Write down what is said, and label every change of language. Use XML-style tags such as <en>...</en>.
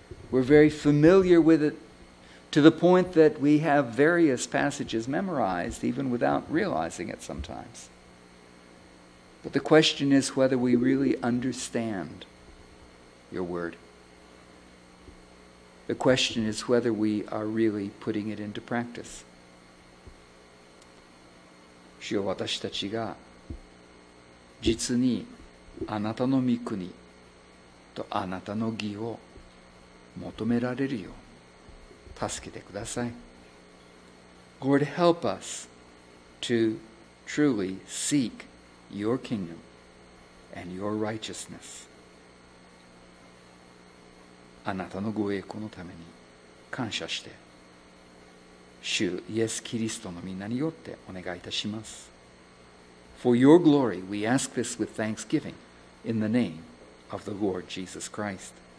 <en>We're very familiar with it to the point that we have various passages memorized even without realizing it sometimes. But the question is whether we really understand your word. The question is whether we are really putting it into practice.</en> <ja>主よ、私たちが実にあなたの御国とあなたの義を求められるよう助けてください。</ja> <en>Lord, help us to truly seek your kingdom and your righteousness.</en> <ja>あなたのご栄光のために感謝して、主イエス・キリストの御名によってお願いいたします。</ja> <en>For your glory, we ask this with thanksgiving. In the name of the Lord Jesus Christ.</en>